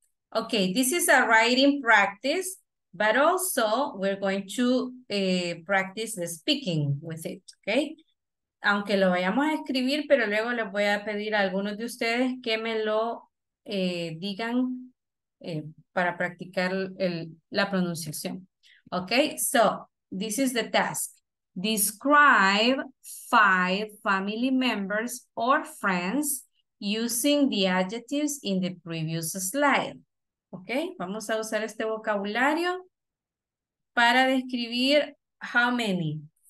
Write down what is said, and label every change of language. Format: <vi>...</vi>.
<en>Okay, this is a writing practice, but also we're going to practice the speaking with it, okay?</en> <es>Aunque lo vayamos a escribir, pero luego les voy a pedir a algunos de ustedes que me lo digan para practicar la pronunciación.</es> <en>Okay, so this is the task. Describe 5 family members or friends using the adjectives in the previous slide.</en> <es>Okay, vamos a usar este vocabulario para describir</es> <en>how many.</en>